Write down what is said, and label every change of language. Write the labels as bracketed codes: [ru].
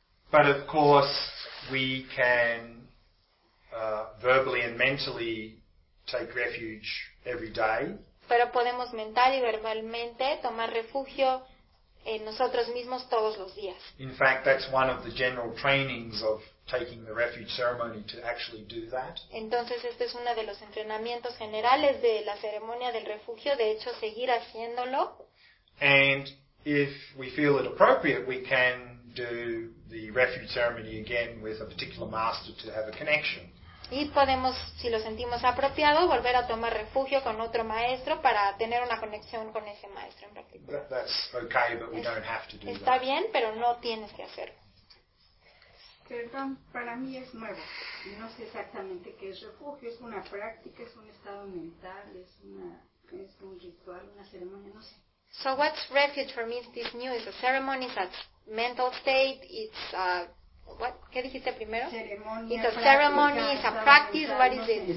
[en] But of course, we can verbally and mentally take refuge every day. [es] Pero podemos mental y verbalmente tomar refugio en nosotros mismos todos los días. [en] In fact, that's one of the general trainings of taking the refuge ceremony, to actually do that. [es] Entonces, este es uno de los entrenamientos generales de la ceremonia del refugio, de hecho, seguir haciéndolo. [en] And if we feel it appropriate, we can do the refuge ceremony again with a particular master to have a connection. [es] Y podemos, si lo sentimos apropiado, volver a tomar refugio con otro maestro para tener una conexión con ese maestro en particular. [en] That's okay, but we don't have to do [es] está Está bien, pero no tienes que hacerlo. Perdón, para mí es nuevo. No sé exactamente qué es refugio. Es una práctica, es un estado mental, es un ritual, una ceremonia, no sé. [en] So what's refuge for me is this new, is a ceremony, it's a mental state, it's a... [es] What? ¿Qué dijiste primero? Ceremonia, [en] it's a ceremony, it's a practice, what is it?